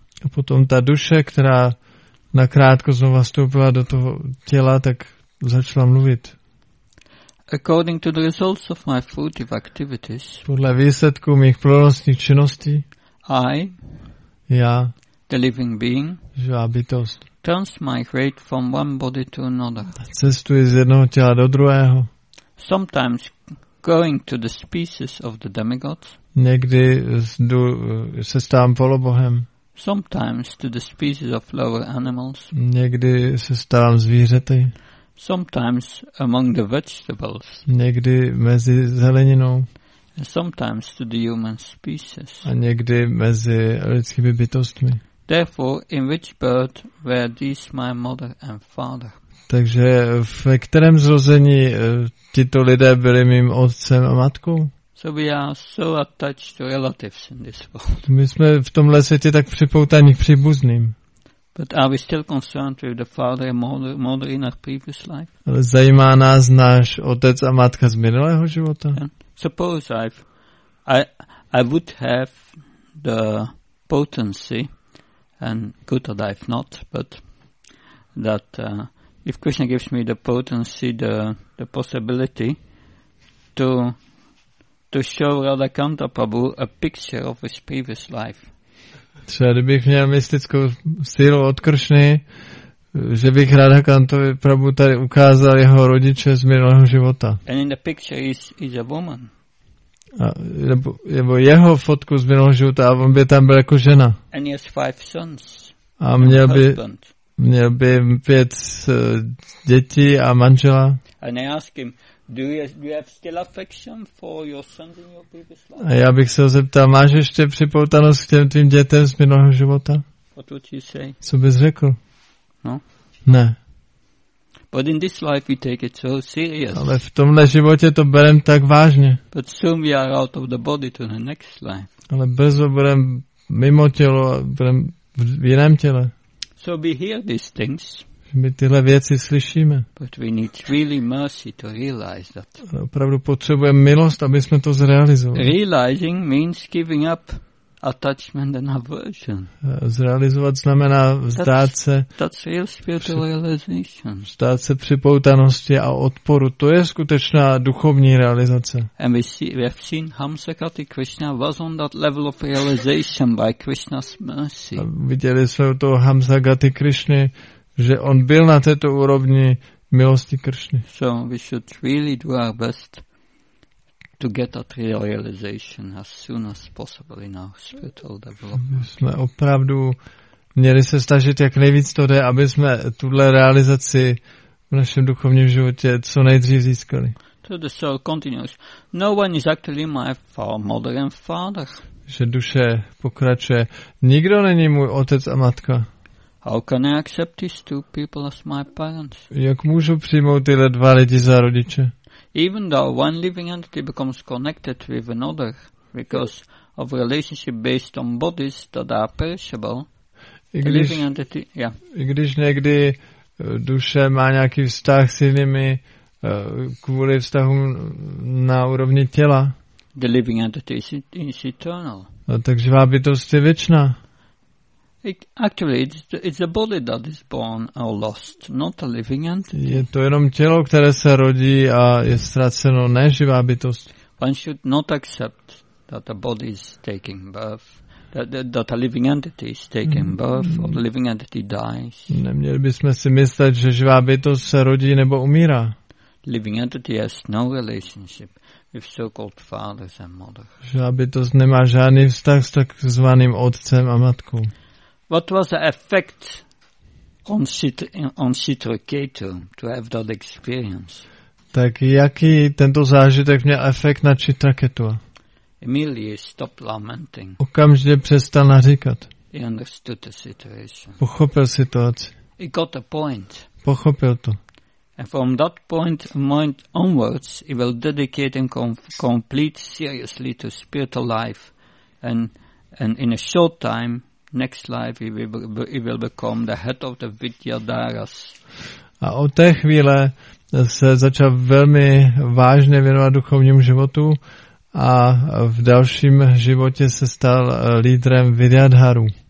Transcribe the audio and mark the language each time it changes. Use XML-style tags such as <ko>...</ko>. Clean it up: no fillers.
<cs>A potom ta duše, která nakrátko znova vstoupila do toho těla, tak začala mluvit.</cs> <en>According to the results of my fruitive activities,</en> <cs>podle výsledků mých plodnostních činností, já,</cs> <en>the living being,</en> <cs>živá bytost,</cs> <en>transmigrate from one body to another.</en> <cs>Cestuji z jednoho těla do druhého.</cs> <en>Sometimes going to the species of the demigods.</en> <cs>Někdy se stávám polobohem.</cs> <en>Sometimes to the species of lower animals.</en> <cs>Někdy se stávám zvířaty.</cs> <en>Sometimes among the vegetables.</en> <cs>Někdy mezi zeleninou.</cs> <en>sometimes to the human species.</en> <cs>A někdy mezi lidskými bytostmi.</cs> <en>Therefore, in which birth were these my mother and father?</en> <cs>Takže ve kterém zrození tito lidé byli mým otcem a matkou?</cs> <en>So we are so attached to relatives in this world.</en> <cs>My jsme v tomhle světě tak připoutaní k příbuzným.</cs> <en>But are we still concerned with the father and mother in our previous life?</en> <cs>Ale zajímá nás náš otec a matka z minulého života?</cs> <en>And suppose I would have the potency and could I not, but that if Krishna gives me the potency, the possibility to show Radha Kanta Prabhu a picture of his previous life.</en> <cs>Třeba kdybych měl mystickou sílu od Kršny, že bych Radha Kantovi Prabhu tady ukázal jeho rodiče z minulého života.</cs> <en>And in the picture is a woman.</en> <cs>A, nebo jeho fotku z minulého života a on by tam byl jako žena.</cs> <en>And he has five sons.</en> <cs>A měl by pět dětí a manžela.</cs> <en>And I ask him, Do you have still affection for your sons in your previous life?</en> <cs>A já bych se ho zeptal, máš ještě připoutanost k těm tvým dětem z minulého života?</cs> <en>What would you say?</en> <cs>Co bys řekl?</cs> <en>No.</en> <cs>Ne.</cs> <en>But in this life we take it so serious.</en> <cs>Ale v tomhle životě to berem tak vážně.</cs> <en>But soon we are out of the body to the next life.</en> <cs>Ale brzo budem mimo tělo a budem v jiném těle.</cs> <en>So we hear these things.</en> <cs>My tyhle věci slyšíme.</cs> <en>But we need really mercy to realize that.</en> <cs>Opravdu potřebujeme milost, aby jsme to zrealizovali.</cs> <en>Realizing means giving up attachment and aversion.</en> <cs>Zrealizovat znamená vzdát se.</cs> <en>That's real spiritual realization.</en> <cs>Vzdát se připoutanosti a odporu. To je skutečná duchovní realizace.</cs> <en>And we have seen Hamsakati Krishna was on that level of realization by Krishna's mercy.</en> <cs>A viděli jsme u toho Hamsakati Krishny, že on byl na této úrovni milosti Kršny.</cs> <en>So we should really do our best to get that real realization as soon as possible in our spiritual development.</en> <cs>My jsme opravdu měli se snažit, jak nejvíc to jde, aby jsme tuhle realizaci v našem duchovním životě co nejdřív získali.</cs> <en>So the soul continues. No one is actually my mother and father.</en> <cs>Že duše pokračuje. Nikdo není můj otec a matka.</cs> <en>How can I accept these two people as my parents?</en> <cs>Jak můžu přijmout tyhle dva lidi za rodiče?</cs> <en>Even though one living entity becomes connected with another because of relationship based on bodies that are perishable, living entity, yeah.</en> <cs>I když někdy duše má nějaký vztah s jinými kvůli vztahům na úrovni těla.</cs> <en>The living entity is eternal.</en> <cs>A tak živá bytost je věčná.</cs> <en>It actually it's a body that is born or lost, not a living entity.</en> <cs>Je to jenom tělo, které se rodí a je ztraceno, ne živá bytost.</cs> <en>One should not accept that a body is taking birth, that a living entity is taking birth, or the living entity dies.</en> <cs>Neměli bychom si myslet, že živá bytost se rodí nebo umírá.</cs> <en>Living entity has no relationship with so-called fathers and mothers.</en> <cs>Živá bytost nemá žádný vztah s takzvaným otcem a matkou.</cs> <en>What was the effect on Citraketu to have that experience?</en> <cs>Tak jaký tento zážitek měl efekt na Citraketu?</cs> <en>Immediately stopped lamenting.</en> <cs>Okamžitě přestal naříkat.</cs> <en>He understood the situation.</en> <cs>Pochopil situaci.</cs> <en>He got a point.</en> <cs>Pochopil to.</cs> <en>And from that point onwards, he will dedicate and complete seriously to spiritual life, and in a short time. Next life he will become the head of the Vidyadharas.</en> <cs>A od té chvíle se začal velmi vážně věnovat duchovnímu životu a v dalším životě se stal lídrem Vidyadharu.</cs>